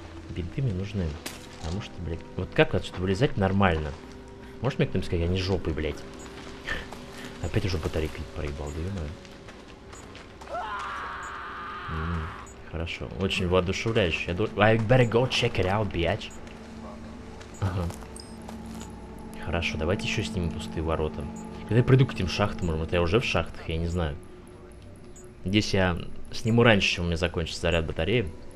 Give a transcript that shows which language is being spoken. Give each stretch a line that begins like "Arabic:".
Russian: Бинты мне нужны. Потому что, блядь, вот как отсюда вылезать нормально? Можешь мне кто-нибудь сказать, я не жопой, блядь. Опять уже батарейка проебал, да ё-моё. Хорошо, очень воодушевляюще.
English: I better go check it out, бьяч.
Russian: Хорошо, давайте еще снимем пустые ворота. Когда я приду к этим шахтам, может, я уже в шахтах, я не знаю. Здесь я сниму раньше, чем у меня закончится заряд батареи.